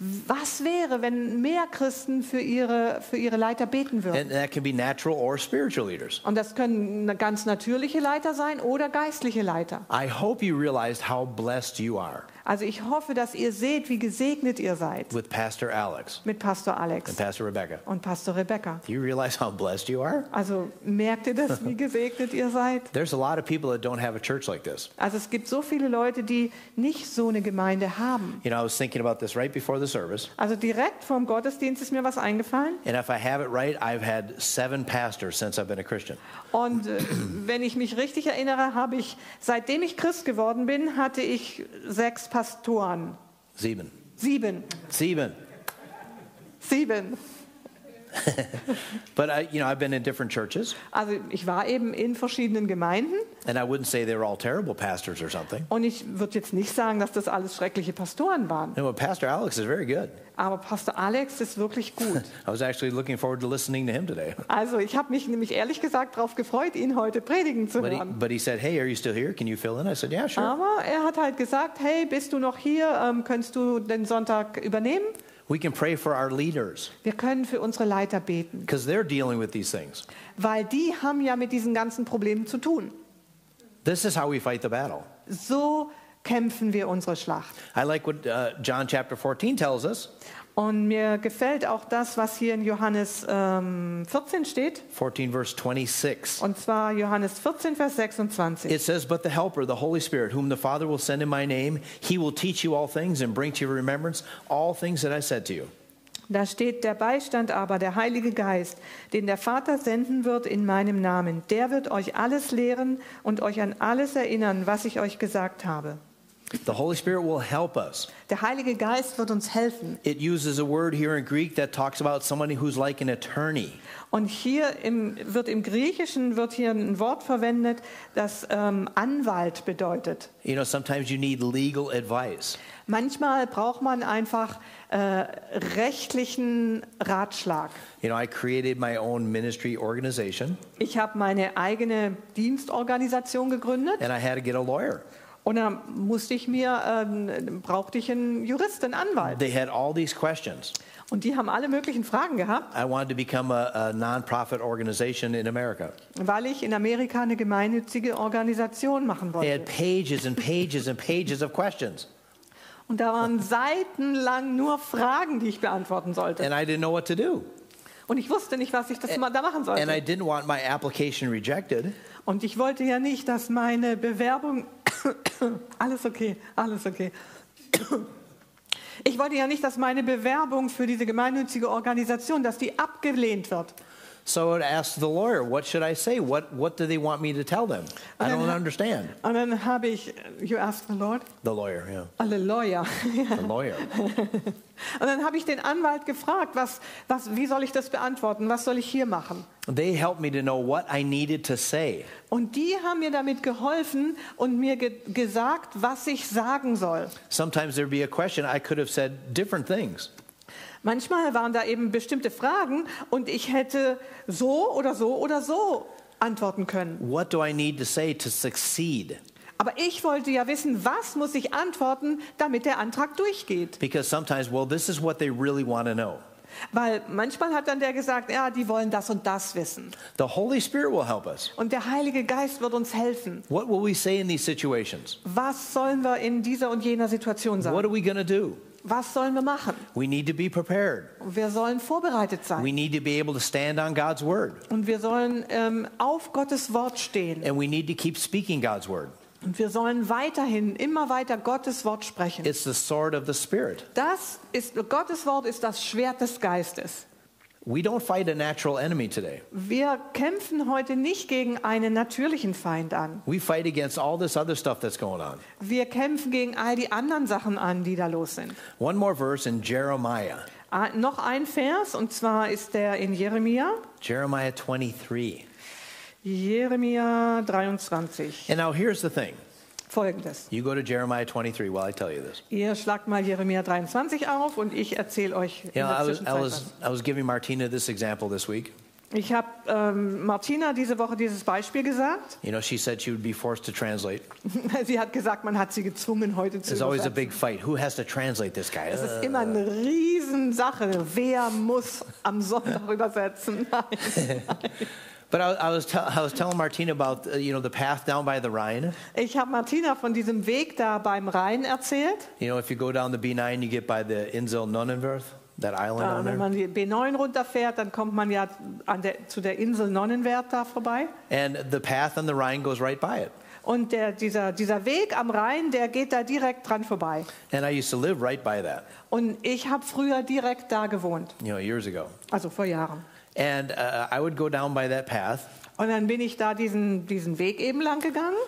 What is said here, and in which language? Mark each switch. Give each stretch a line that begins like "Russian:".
German: Was wäre, wenn mehr Christen für ihre Leiter beten würden?
English: And that can be natural or spiritual leaders.
German: Und das können ganz natürliche Leiter sein oder geistliche Leiter.
English: I hope you realized how blessed you are.
German: Also ich hoffe, dass ihr seht, wie gesegnet ihr seid.
English: With Pastor Alex.
German: Mit Pastor Alex.
English: And Pastor Rebecca.
German: Und Pastor Rebecca.
English: Do you realize how blessed you are?
German: Also merkt ihr das, wie gesegnet ihr seid?
English: There's a lot of people that don't have a church like this.
German: Also es gibt so viele Leute, die nicht so eine Gemeinde haben.
English: You know, I was thinking about this right before the service.
German: Also direkt vorm Gottesdienst ist mir was eingefallen.
English: And if I have it right, I've had 7 pastors since I've been a Christian.
German: Und wenn ich mich richtig erinnere, habe ich, seitdem ich Christ geworden bin, hatte ich 6 Pastoren.
English: 7.
German: 7.
English: 7.
German: 7.
English: But I've been in different churches.
German: Also, ich war eben in verschiedenen Gemeinden.
English: And I wouldn't say they were all terrible pastors or something.
German: Und ich würde jetzt nicht sagen, dass das alles schreckliche Pastoren waren.
English: No, but Pastor Alex is very good.
German: Aber Pastor Alex ist wirklich gut.
English: I was actually looking forward to listening to him today.
German: Also, ich habe mich nämlich ehrlich gesagt darauf gefreut, ihn heute predigen zu hören.
English: But he said, "Hey, are you still here? Can you fill in?" I said, "Yeah, sure."
German: Aber er hat halt gesagt, "Hey, bist du noch hier? Könntest du den Sonntag übernehmen?"
English: We can pray for our leaders.
German: Wir können für unsere Leiter beten.
English: Because they're dealing with these things.
German: Weil die haben ja mit diesen ganzen Problemen zu tun.
English: This is how we fight the battle.
German: So kämpfen wir unsere Schlacht.
English: I like what John chapter 14 tells us.
German: Und mir gefällt auch das, was hier in Johannes 14 steht.
English: 14, verse 26.
German: Und zwar Johannes 14, Vers 26.
English: It says, but the Helper, the Holy Spirit, whom the Father will send in my name, he will teach you all things and bring to your remembrance all things that I said to you.
German: Da steht, der Beistand aber, der Heilige Geist, den der Vater senden wird in meinem Namen, der wird euch alles lehren und euch an alles erinnern, was ich euch gesagt habe.
English: The Holy Spirit will help us.
German: Der Heilige Geist wird uns helfen.
English: It uses a word here in Greek that talks about somebody who's like an attorney.
German: Und hier wird im Griechischen hier ein Wort verwendet, das Anwalt bedeutet.
English: You know, sometimes you need legal advice.
German: Manchmal braucht man einfach rechtlichen Ratschlag.
English: You know, I created my own ministry organization.
German: Ich habe meine eigene Dienstorganisation gegründet.
English: And I had to get a lawyer.
German: Und dann brauchte ich einen Jurist, einen Anwalt.
English: They had all these questions.
German: Und die haben alle möglichen Fragen gehabt.
English: I wanted to become a non-profit organization in America.
German: Weil ich in Amerika eine gemeinnützige Organisation machen wollte.
English: They had pages and pages and pages of questions.
German: Und da waren seitenlang nur Fragen, die ich beantworten sollte.
English: And I didn't know what to do.
German: Und ich wusste nicht, was ich das da machen sollte.
English: And I didn't want my application rejected.
German: Und ich wollte ja nicht, dass meine Bewerbung alles okay. Ich wollte ja nicht, dass meine Bewerbung für diese gemeinnützige Organisation, dass die abgelehnt wird.
English: So I asked the lawyer, what should I say? What do they want me to tell them? I don't understand.
German: Und dann habe ich,
English: you asked the Lord? The lawyer, yeah. Oh, the lawyer. The lawyer.
German: Und dann habe ich den Anwalt gefragt, wie soll ich das beantworten? Was soll ich hier machen?
English: They helped me to know what I needed to say.
German: Und die haben mir damit geholfen und mir gesagt, was ich sagen soll.
English: Sometimes there'd be a question, I could have said different things.
German: Manchmal waren da eben bestimmte Fragen und ich hätte so oder so oder so antworten können.
English: What do I need to say to succeed?
German: Aber ich wollte ja wissen, was muss ich antworten, damit der Antrag durchgeht.
English: Because sometimes, well, this is what they really want to know.
German: Weil manchmal hat dann der gesagt, ja, die wollen das und das wissen.
English: The Holy Spirit will help us.
German: Und der Heilige Geist wird uns helfen.
English: What will we say in these situations?
German: Was sollen wir in dieser und jener Situation sagen?
English: What are we going to do?
German: Was sollen wir machen?
English: We need to be prepared.
German: Wir sollen vorbereitet sein.
English: We need to be able to stand on God's word.
German: Und wir sollen auf Gottes Wort stehen.
English: And we need to keep speaking God's word.
German: Und wir sollen weiterhin immer weiter Gottes Wort sprechen.
English: It's the sword of the spirit.
German: Gottes Wort ist das Schwert des Geistes.
English: We don't fight a natural enemy today.
German: Wir kämpfen heute nicht gegen einen natürlichen Feind an.
English: We fight against all this other stuff that's going on.
German: Wir kämpfen gegen all die anderen Sachen an, die da los sind.
English: One more verse in Jeremiah.
German: Noch ein Vers, und zwar ist der in Jeremia.
English: Jeremiah 23.
German: Jeremia 23.
English: And now here's the thing.
German: Folgendes.
English: You go to Jeremiah 23 while I tell you this.
German: Ihr schlagt mal Jeremia 23 auf und ich erzähle euch in der Zwischenzeit was.
English: I was giving Martina this example this week.
German: Ich habe Martina diese Woche dieses Beispiel gesagt.
English: You know, she said she would be forced to translate.
German: Sie hat gesagt, man hat sie gezwungen, heute zu übersetzen.
English: It's always a big fight. Who has to translate this guy?
German: Es ist immer eine Riesensache. Wer muss am Sonntag übersetzen?
English: But I was telling Martina about the path down by the Rhine.
German: Ich habe Martina von diesem Weg da beim Rhein erzählt.
English: You know, if you go down the B9, you get by the Insel Nonnenwörth, that island on there.
German: Wenn man die B9 runterfährt, dann kommt man ja zu der Insel Nonnenwörth da vorbei.
English: And the path on the Rhine goes right by it.
German: Und dieser Weg am Rhein, der geht da direkt dran vorbei.
English: And I used to live right by that.
German: Und ich habe früher direkt da gewohnt.
English: You know, years ago.
German: Also vor Jahren.
English: And I would go down by that path.
German: Und dann bin ich da diesen Weg eben lang gegangen.